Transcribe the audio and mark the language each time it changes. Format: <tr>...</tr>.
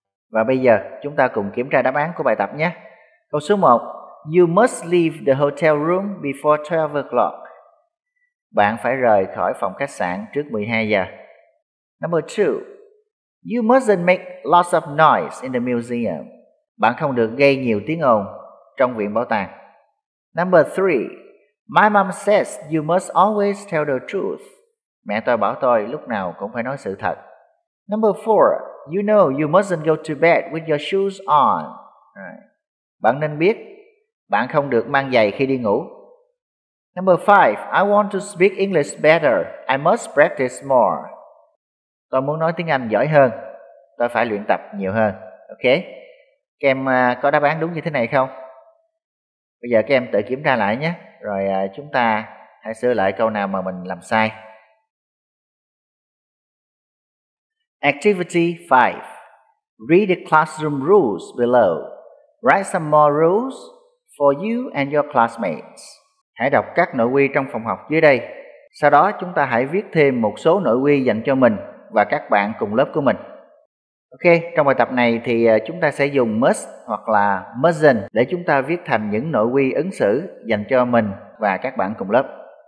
<vi>Và bây giờ chúng ta cùng kiểm tra đáp án của bài tập nhé. Câu số 1,</vi> <en>you must leave the hotel room before 12 o'clock.</en> <vi>Bạn phải rời khỏi phòng khách sạn trước 12 giờ.</vi> <en>Number 2, you mustn't make lots of noise in the museum.</en> <vi>Bạn không được gây nhiều tiếng ồn trong viện bảo tàng.</vi> <en>Number 3, my mom says you must always tell the truth.</en> <vi>Mẹ tôi bảo tôi lúc nào cũng phải nói sự thật.</vi> <en>Number 4, you know you mustn't go to bed with your shoes on.</en> <vi>Bạn nên biết, bạn không được mang giày khi đi ngủ.</vi> <en>Number 5, I want to speak English better. I must practice more.</en> <vi>Tôi muốn nói tiếng Anh giỏi hơn. Tôi phải luyện tập nhiều hơn. Ok? Các em có đáp án đúng như thế này không? Bây giờ các em tự kiểm tra lại nhé. Rồi chúng ta hãy sửa lại câu nào mà mình làm sai.</vi> <en>Activity 5. Read the classroom rules below. Write some more rules for you and your classmates.</en> <vi>Hãy đọc các nội quy trong phòng học dưới đây. Sau đó chúng ta hãy viết thêm một số nội quy dành cho mình và các bạn cùng lớp của mình. Ok, trong bài tập này thì chúng ta sẽ dùng must hoặc là mustn't để chúng ta viết thành những nội quy ứng xử dành cho mình và các bạn cùng lớp.</vi>